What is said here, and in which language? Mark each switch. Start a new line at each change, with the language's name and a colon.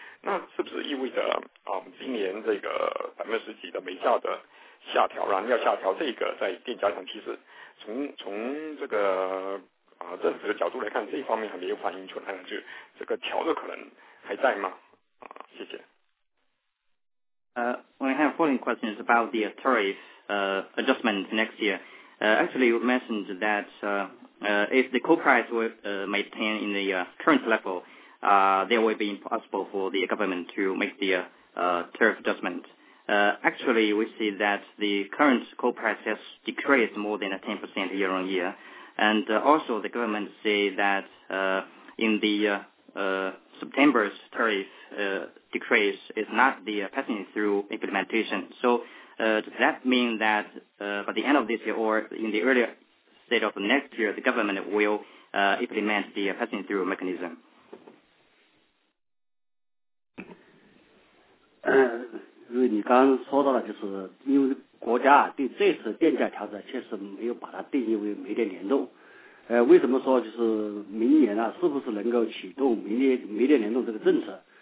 Chinese: 那是不是意味着今年这个10%几的煤价的下调，然后要下调这个在电价上，其实从这个政府的角度来看，这一方面还没有反映出来，就这个调的可能还在吗？
English: I have following questions about the tariff adjustment next year. Actually, you mentioned that if the coal price will maintain in the current level, there will be impossible for the government to make the tariff adjustment. Actually, we see that the current coal price has decreased more than 10% year on year. And also the government say that in the September's tariff decrease is not the passing through implementation. So does that mean that by the end of this year or in the earlier state of the next year, the government will implement the passing through mechanism?
Chinese: 就是你刚刚说到了，就是因为国家对这次电价调整确实没有把它定义为煤电联动。为什么说就是明年啊，是不是能够启动煤电联动这个政策？